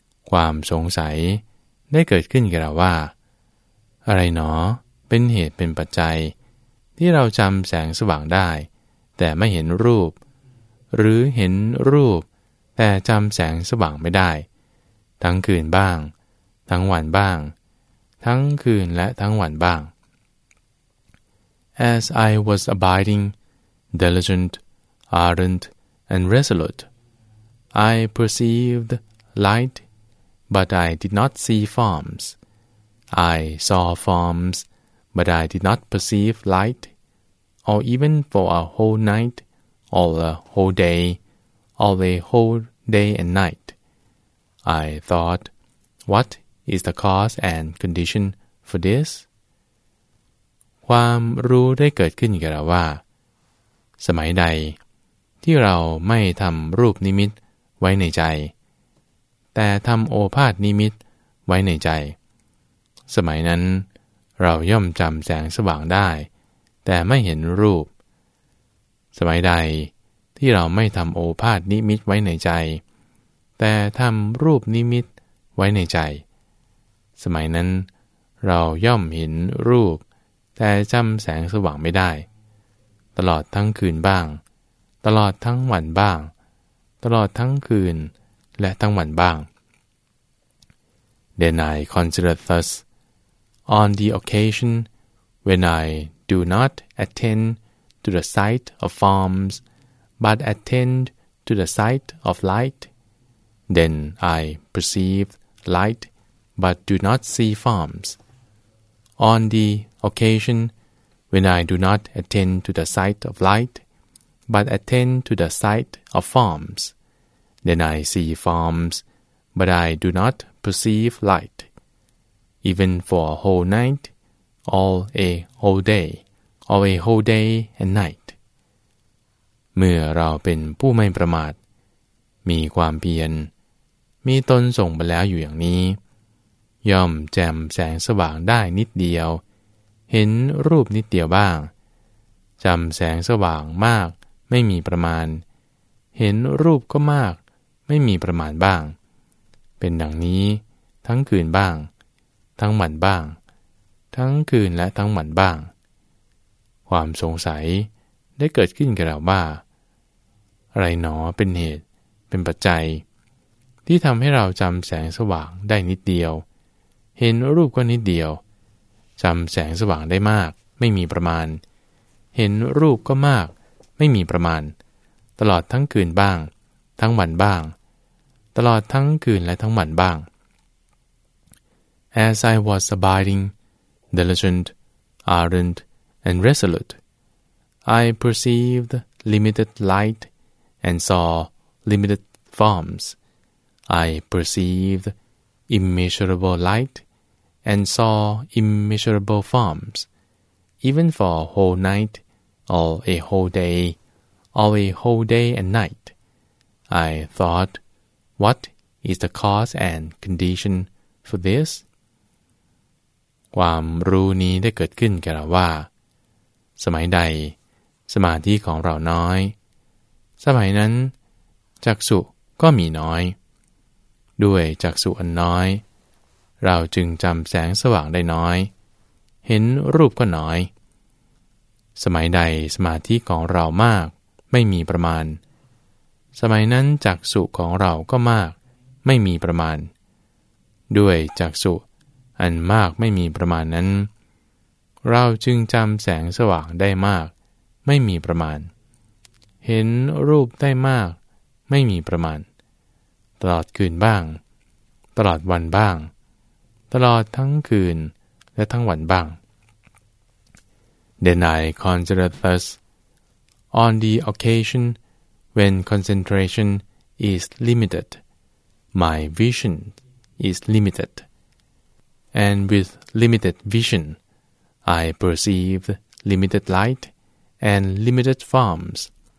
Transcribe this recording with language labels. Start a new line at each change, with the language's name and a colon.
Thai: ความสงสัยได้เกิดขึ้นแก่เราว่าอะไรหนอเป็นเหตุเป็นปัจจัยที่เราจำแสงสว่างได้แต่ไม่เห็นรูปหรือเห็นรูปแต่จำแสงสว่างไม่ได้ทั้งคืนบ้างทั้งวันบ้างทั้งคืนและทั้งวันบ้าง
English: As I was abiding, diligent, ardent, and resolute, I perceived light, but I did not see forms. I saw forms, but I did not perceive light, or even for a whole night, or a whole day, or a whole day and night. I thought, what is the cause and condition for this?
Thai: ความรู้ได้เกิดขึ้นกับเราว่าสมัยใดที่เราไม่ทำรูปนิมิตไว้ในใจแต่ทำโอภาสนิมิตไว้ในใจสมัยนั้นเราย่อมจำแสงสว่างได้แต่ไม่เห็นรูป สมัยใดที่เราไม่ทำโอภาสนิมิตไว้ในใจแต่ทำรูปนิมิตไว้ในใจสมัยนั้นเราย่อมเห็นรูปแต่จำแสงสว่างไม่ได้ตลอดทั้งคืนบ้างตลอดทั้งวันบ้างตลอดทั้งคืนและทั้งวันบ้าง
English: Then I considered thus, on the occasion when I do not attend to the sight of forms, but attend to the sight of light, then I perceive light, but do not see forms. On the occasion when I do not attend to the sight of light, but attend to the sight of forms, then I see forms, but I do not perceive light. Even for a whole night, all a whole day, or a whole day and night.
Thai: เมื่อเราเป็นผู้ไม่ประมาทมีความเพียรมีตนส่งไปแล้วอยู่อย่างนี้ย่อมแจ่มแสงสว่างได้นิดเดียวเห็นรูปนิดเดียวบ้างจำแสงสว่างมากไม่มีประมาณเห็นรูปก็มากไม่มีประมาณบ้างเป็นดังนี้ทั้งคืนบ้างทั้งวันบ้างทั้งคืนและทั้งวันบ้าง ความสงสัยได้เกิดขึ้นกับเราว่าอะไรหนอเป็นเหตุเป็นปัจจัยที่ทำให้เราจำแสงสว่างได้นิดเดียวเห็นรูปก็นิดเดียวจำแสงสว่างได้มากไม่มีประมาณเห็นรูปก็มากไม่มีประมาณตลอดทั้งคืนบ้างทั้งวันบ้างตลอดทั้งคืนและทั้งวันบ้าง
English: As I was abiding, diligent, ardent, and resolute, I perceived limited light and saw limited forms. I perceived immeasurable light and saw immeasurable forms. Even for a whole night, or a whole day, or a whole day and night, I thought, what is the cause and condition for this?
Thai: ความรู้นี้ได้เกิดขึ้นแก่เราว่าสมัยใดสมาธิของเราน้อยสมัยนั้นจักษุก็มีน้อยด้วยจักษุอันน้อยเราจึงจำแสงสว่างได้น้อยเห็นรูปก็น้อย สมัยใดสมาธิของเรามากไม่มีประมาณสมัยนั้นจักษุของเราก็มากไม่มีประมาณด้วยจักษุอันมากไม่มีประมาณนั้นเราจึงจำแสงสว่างได้มากไม่มีประมาณเห็นรูปได้มากไม่มีประมาณตลอดคืนบ้างตลอดวันบ้างตลอดทั้งคืนและทั้งวันบ้าง
English: Then I considered thus, on the occasion when concentration is limited, my vision is limited. And with limited vision, I perceived limited light and limited forms.